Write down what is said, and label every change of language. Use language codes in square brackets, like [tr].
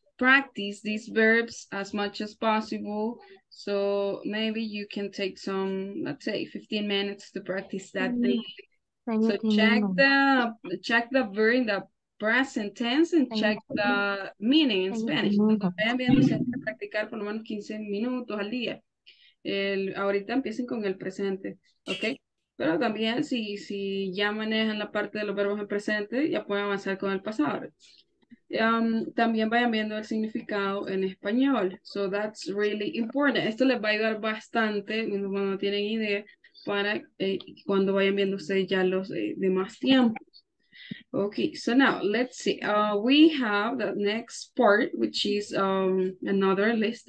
[en] practice these verbs as much as possible. So maybe you can take some, let's say 15 minutes to practice that thing. So check the verb in the present tense and check the meaning in Spanish. [es] Vayan viendo si hay que practicar por lo menos 15 minutos al día. Ahorita empiecen con el presente, ¿ok? Pero también si ya manejan la parte de los verbos en presente, ya pueden avanzar con el pasado. También vayan viendo el significado en español. [en] So that's really important. [es] Esto les va a ayudar bastante cuando tienen idea para cuando vayan viendo ustedes ya los demás tiempos. [en] Okay, so now let's see. We have the next part, which is another list.